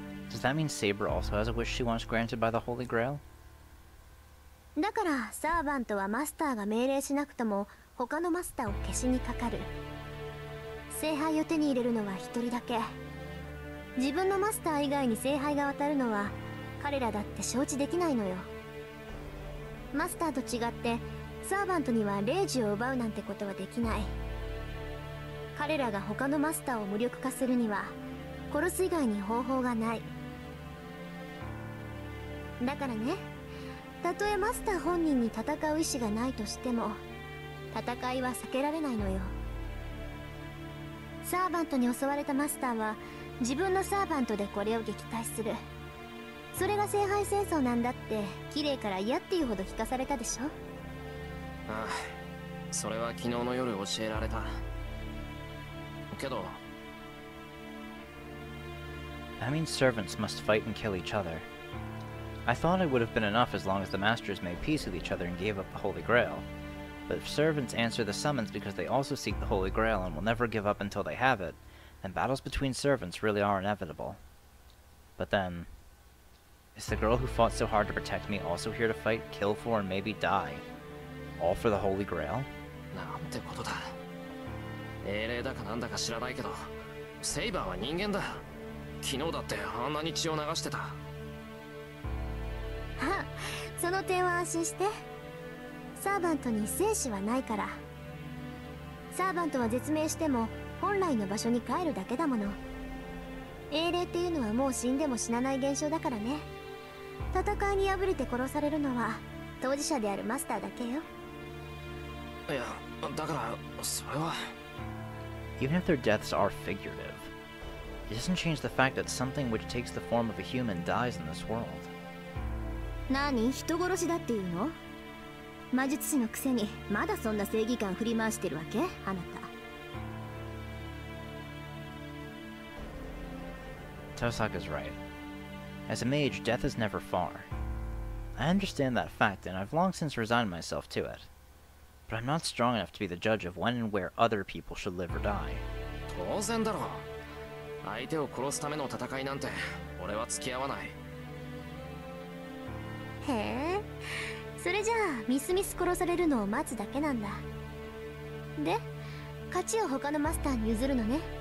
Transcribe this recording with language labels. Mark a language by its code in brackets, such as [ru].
[en] Does that mean Saber also has a wish she wants granted by the Holy Grail? [ja] だからサーヴァントはマスターが命令しなくとも他のマスターを消しにかかる。聖杯を手に入れるのは一人だけ。自分のマスター以外に聖杯が渡るのは彼らだって承知できないのよ。マスターと違ってサーヴァントには霊樹を奪うなんてことはできない。彼らが他のマスターを無力化するには殺す以外に方法がない。だからね、たとえマスター本人に戦う意思がないとしても戦いは避けられないのよ。サーヴァントに襲われたマスターは自分のサーヴァントでこれを撃退する。それが聖杯戦争なんだってキレイから嫌っていうほど聞かされたでしょ。ああ、それは昨日の夜教えられたけど。 [en] I mean servants must fight and kill each other. I thought it would have been enough as long as the masters made peace with each other and gave up the Holy Grail. But if servants answer the summons because they also seek the Holy Grail and will never give up until they have it,And battles between servants really are inevitable. But then, is the girl who fought so hard to protect me also here to fight, kill for, and maybe die? All for the Holy Grail? [ja] なんてことだ。英霊だかなんだか知らないけど、セイバーは人間だ。昨日だってあんなに血を流してた。その点は安心して。サーヴァントに生死はないから。サーヴァントは絶命しても、本来の場所に帰るだけだもの。英霊っていうのはもう死んでも死なない現象だからね。戦いに敗れて殺されるのは当事者であるマスターだけよ。いや、だからそれは。 [en] Even if their deaths are figurative, it doesn't change the fact that something which takes the form of a human dies in this world. [ja] 何、人殺しだっていうの？魔術師のくせにまだそんな正義感振り回してるわけ？あなた。 [en] Tosaka's right. As a mage, death is never far. I understand that fact, and I've long since resigned myself to it. But I'm not strong enough to be the judge of when and where other people should live or die. [ja] 当然だろ。相手を殺すための戦いなんて、俺は付き合わない。へえ。それじゃあミスミス殺されるのを待つだけなんだ。で、勝ちを他のマスターに譲るのね。